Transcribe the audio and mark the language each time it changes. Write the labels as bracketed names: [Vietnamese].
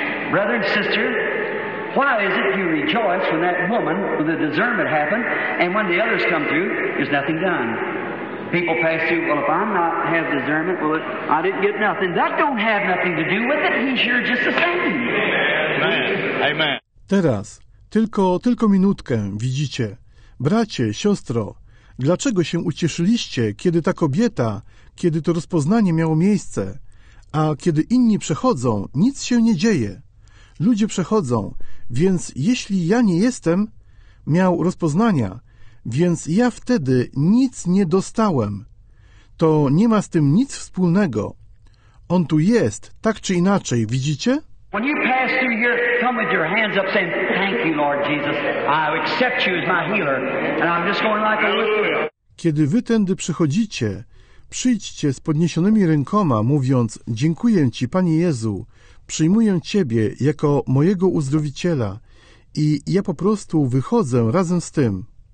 [English] Brother and sister, why is it you rejoice when that woman, when the discernment happened, and when the others come through, there's nothing done? People pass through, well, if I'm not have discernment, well, I didn't get nothing. That don't have nothing to do with it. He's here just the same. Amen. Amen. [Polish] Teraz, tylko minutkę, widzicie. Bracie, siostro, dlaczego się ucieszyliście, kiedy ta kobieta, kiedy to rozpoznanie miało miejsce, a kiedy inni przechodzą, nic się nie dzieje. Ludzie przechodzą, więc jeśli ja nie jestem, miał rozpoznania, więc ja wtedy nic nie dostałem. To nie ma z tym nic wspólnego. On tu jest, tak czy inaczej, widzicie? [English] When you pass through here, come with your hands up saying, thank you, Lord Jesus, I accept you as my healer, and I'm just going like a little... [Polish] Kiedy wy tędy przychodzicie, przyjdźcie z podniesionymi rękoma, mówiąc, dziękuję Ci, Panie Jezu, przyjmuję Ciebie jako mojego uzdrowiciela i ja po prostu wychodzę razem z tym.